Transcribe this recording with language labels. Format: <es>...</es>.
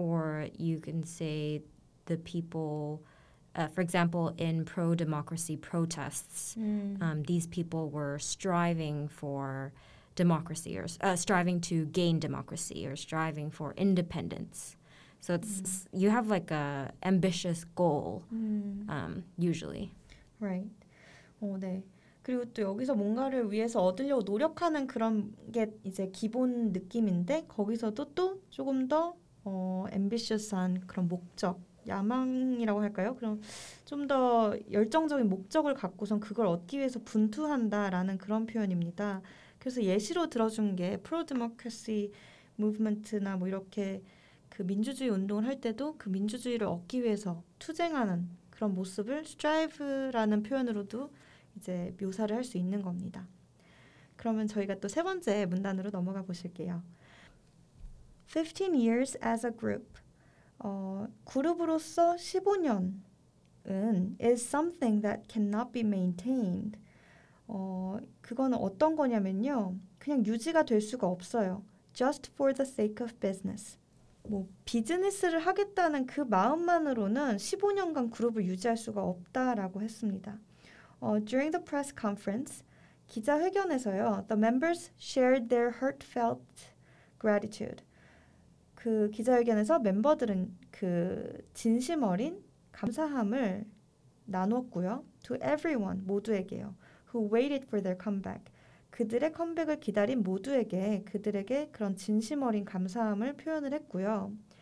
<en>Or you can say the people, for example, in pro-democracy protests, mm-hmm. These people were striving for democracy or striving to gain democracy or striving for independence. So it's you have like a ambitious goal usually. Right. 네.</en> <ko>그리고 또 여기서 뭔가를 위해서 얻으려고 노력하는 그런 게 이제 기본 느낌인데 거기서도 또 조금 더 ambitious한 그런 목적, 야망이라고 할까요? 그럼 좀 더 열정적인 목적을 갖고선 그걸 얻기 위해서 분투한다라는 그런 표현입니다. 그래서 예시로 들어준 게 pro-democracy movement나 뭐 이렇게 그 민주주의 운동을 할 때도 그 민주주의를 얻기 위해서 투쟁하는 그런 모습을 strive라는 표현으로도 이제 묘사를 할 수 있는 겁니다. 그러면 저희가 또 세 번째 문단으로 넘어가 보실게요.</ko> <en>15 years as a group.</en> <ko>그룹으로서 15년은</ko> <en>is something that cannot be maintained.</en> <ko>그건 어떤 거냐면요. 그냥 유지가 될 수가 없어요.</ko> <en>Just for the sake of business.</en> <ko>뭐 비즈니스를 하겠다는 그 마음만으로는 15년간 그룹을 유지할 수가 없다라고 했습니다.</ko> <en>During the press conference,</en> <ko>기자회견에서요,</ko> <en>the members shared their heartfelt gratitude.</en> <ko>그 기자회견에서 멤버들은 그 진심 어린 감사함을 나눴고요.</ko> <en>To everyone,</en> <ko>모두에게요.</ko> <en>Who waited for their comeback.</en> <ko>그들의 컴백을 기다린 모두에게 그들에게 그런 진심 어린 감사함을 표현을 했고요.</ko>